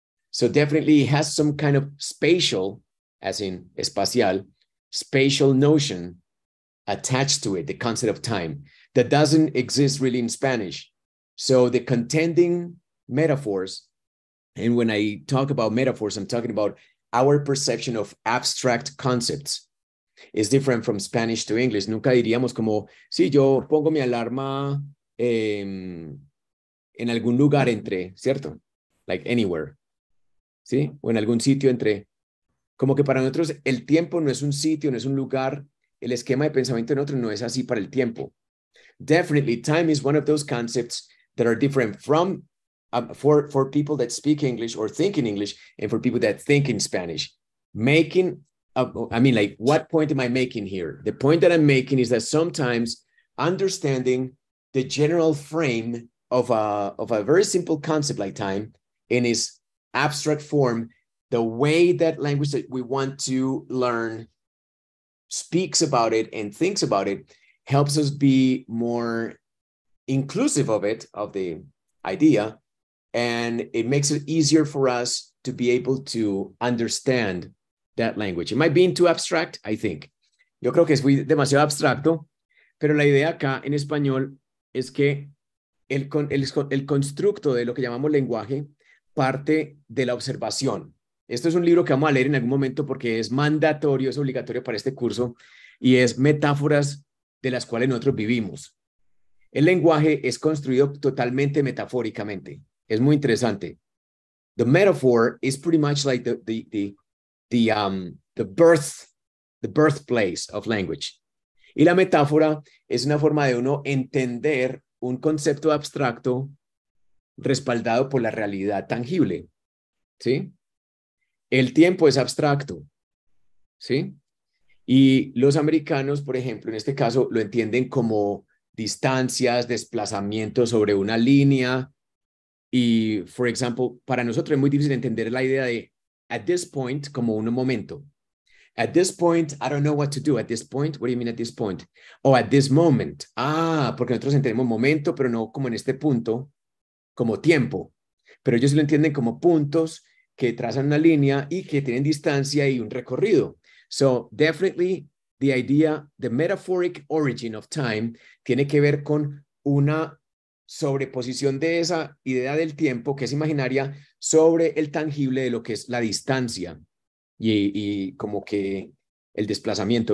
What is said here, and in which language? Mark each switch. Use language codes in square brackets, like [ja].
[en] So definitely has some kind of spatial, as in espacial, spatial notion attached to it, the concept of time that doesn't exist really in Spanish. So the contending metaphors, and when I talk about metaphors, I'm talking about our perception of abstract concepts. Is different from Spanish to English. [es] Nunca diríamos como, sí, yo pongo mi alarma en algún lugar entre, ¿cierto? [en] Like anywhere, [es] ¿sí? O en algún sitio entre. Como que para nosotros el tiempo no es un sitio, no es un lugar. El esquema de pensamiento en otro no es así para el tiempo. [en] Definitely, time is one of those concepts that are different from, for people that speak English or think in English and for people that think in Spanish. What point am I making here? The point that I'm making is that sometimes understanding the general frame of a very simple concept like time in its abstract form, the way that language that we want to learn speaks about it and thinks about it helps us be more inclusive of it, of the idea, and it makes it easier for us to be able to understand that language. Am I being too abstract? I think. [es] Yo creo que es demasiado abstracto, pero la idea acá en español es que el constructo de lo que llamamos lenguaje parte de la observación. Esto es un libro que vamos a leer en algún momento porque es mandatorio, es obligatorio para este curso, y es metáforas de las cuales nosotros vivimos. El lenguaje es construido totalmente metafóricamente. Es muy interesante. [en] The metaphor is pretty much like the birthplace of language. [es] Y la metáfora es una forma de uno entender un concepto abstracto respaldado por la realidad tangible. ¿Sí? El tiempo es abstracto. ¿Sí? Y los americanos, por ejemplo, en este caso, lo entienden como distancias, desplazamiento sobre una línea. Y, [en] for example, [es] para nosotros es muy difícil entender la idea de [en] at this point [es] como un momento. [en] At this point, I don't know what to do. At this point, what do you mean at this point? Oh, at this moment. [es] Ah, porque nosotros entendemos momento, pero no como en este punto, como tiempo. Pero ellos lo entienden como puntos que trazan una línea y que tienen distancia y un recorrido. [en] So, definitely, the idea, the metaphoric origin of time, [es] tiene que ver con una sobreposición de esa idea del tiempo que es imaginaria sobre el tangible de lo que es la distancia y como que el desplazamiento.